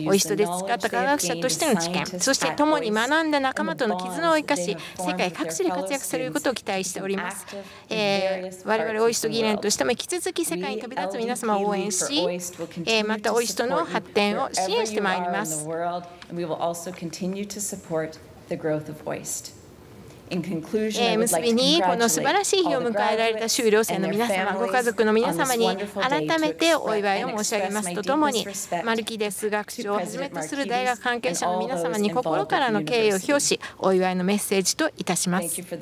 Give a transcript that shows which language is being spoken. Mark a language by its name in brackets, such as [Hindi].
[Japanese] オイストで培った科学者としての知見、そして共に学んだ仲間との絆を生かし、世界各地で活躍されることを期待しております。我々オイスト議連としても引き続き世界に飛び立つ皆様を応援し、またオイストの発展を支援してまいります。 [English] We will also continue to support the growth of OIST. In conclusion, [Japanese] 結びに、この素晴らしい日を迎えられた修了生の皆様、ご家族の皆様に改めてお祝いを申し上げますとともに、マルキデス学長をはじめとする大学関係者の皆様に心からの敬意を表し、お祝いのメッセージといたします。